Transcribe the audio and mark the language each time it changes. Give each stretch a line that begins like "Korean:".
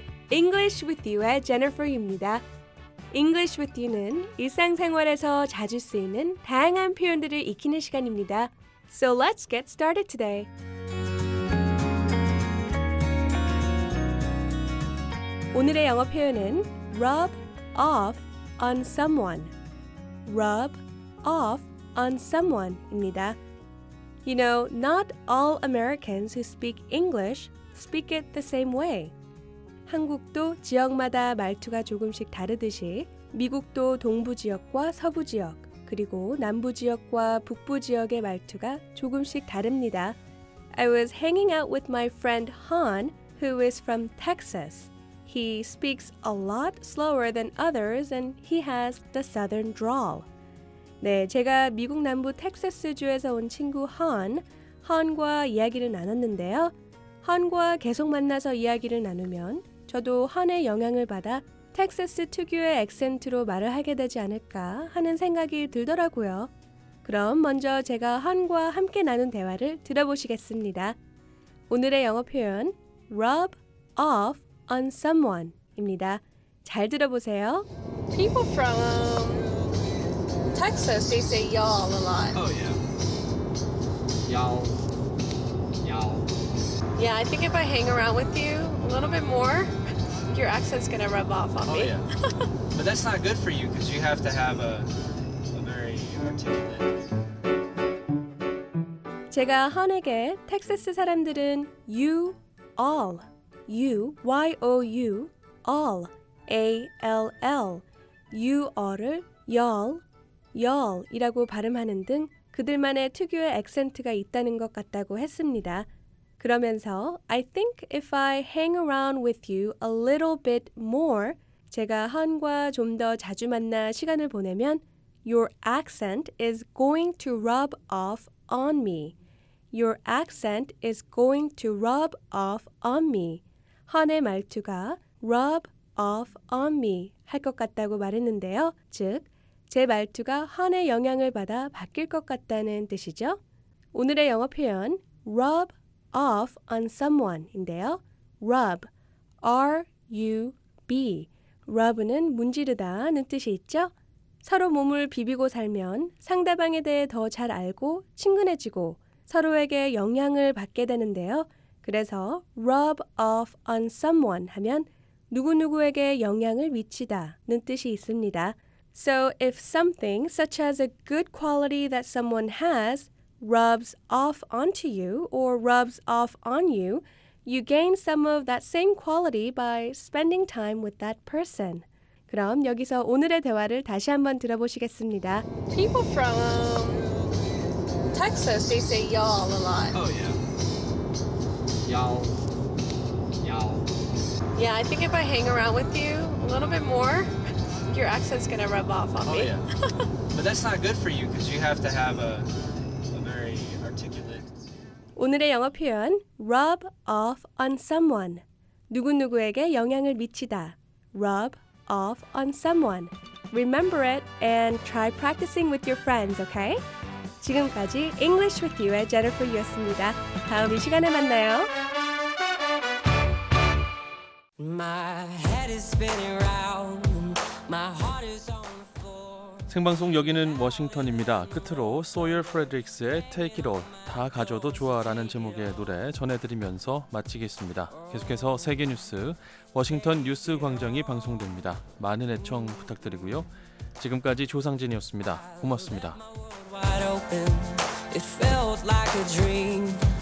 Korean: English with you의 제니퍼입니다. English with you는 일상생활에서 자주 쓰이는 다양한 표현들을 익히는 시간입니다.
English: So let's get started today.
Korean: 오늘의 영어 표현은
English: rub off on someone. Rub off on someone입니다. You know, not all Americans who speak English speak it the same way.
Korean: 한국도 지역마다 말투가 조금씩 다르듯이 미국도 동부 지역과 서부 지역, 그리고 남부 지역과 북부 지역의 말투가 조금씩 다릅니다.
English: I was hanging out with my friend Han, who is from Texas. He speaks a lot slower than others and he has the southern drawl.
Korean: 네, 제가 미국 남부 텍사스주에서 온 친구 헌과 이야기를 나눴는데요. 헌과 계속 만나서 이야기를 나누면 저도 헌의 영향을 받아 텍사스 특유의 액센트로 말을 하게 되지 않을까 하는 생각이 들더라고요. 그럼 먼저 제가 헌과 함께 나눈 대화를 들어보시겠습니다. 오늘의 영어 표현,
English: rub off on someone
Korean: 입니다. 잘 들어보세요.
English: People from Texas, they say y'all a lot. Oh, yeah. Y'all. Y'all. Yeah, I think if I hang around with you a little bit more, your accent's gonna rub off on oh, me. Oh, yeah. But that's not good for you, because you have to have a very articulate...
Korean: 제가 헌에게 텍사스 사람들은 you, all, you, y-o-u, all, a-l-l, you all을 y'all, y'all이라고 발음하는 등 그들만의 특유의 액센트가 있다는 것 같다고 했습니다. 그러면서
English: I think if I hang around with you a little bit more,
Korean: 제가 헌과 좀 더 자주 만나 시간을 보내면
English: your accent is going to rub off on me. Your accent is going to rub off on me.
Korean: 헌의 말투가
English: rub off on me
Korean: 할 것 같다고 말했는데요. 즉, 제 말투가 헌의 영향을 받아 바뀔 것 같다는 뜻이죠. 오늘의 영어 표현
English: rub off on someone
Korean: 인데요.
English: Rub, R-U-B.
Korean: Rub는 문지르다는 뜻이 있죠. 서로 몸을 비비고 살면 상대방에 대해 더 잘 알고 친근해지고 서로에게 영향을 받게 되는데요. 그래서
English: rub off on someone
Korean: 하면 누구누구에게 영향을 미치다는 뜻이 있습니다.
English: So if something such as a good quality that someone has rubs off onto you or rubs off on you, you gain some of that same quality by spending time with that person.
Korean: 그럼 여기서 오늘의 대화를 다시 한번 들어보시겠습니다.
English: People from... Texas, they say y'all a lot. Oh, yeah. Y'all. Y'all. Yeah, I think if I hang around with you a little bit more, your accent's gonna rub off on oh, me. Oh, yeah. But that's not good for you, because you have to have a very articulate...
Korean: 오늘의 영어 표현,
English: rub off on someone.
Korean: 누구누구에게 영향을 미치다.
English: Rub off on someone. Remember it and try practicing with your friends, okay?
Korean: 지금까지 English with You의 Jennifer 였습니다. 다음 이 시간에 만나요.
English: My head is spinning round. My heart is on the floor.
Korean: 생방송 여기는 워싱턴입니다. 끝으로 Sawyer Fredericks의 Take It All, 다 가져도 좋아라는 제목의 노래 전해드리면서 마치겠습니다. 계속해서 세계 뉴스, 워싱턴 뉴스 광장이 방송됩니다. 많은 애청 부탁드리고요. 지금까지 조상진이었습니다. 고맙습니다.
English: Wide open, it felt like a dream.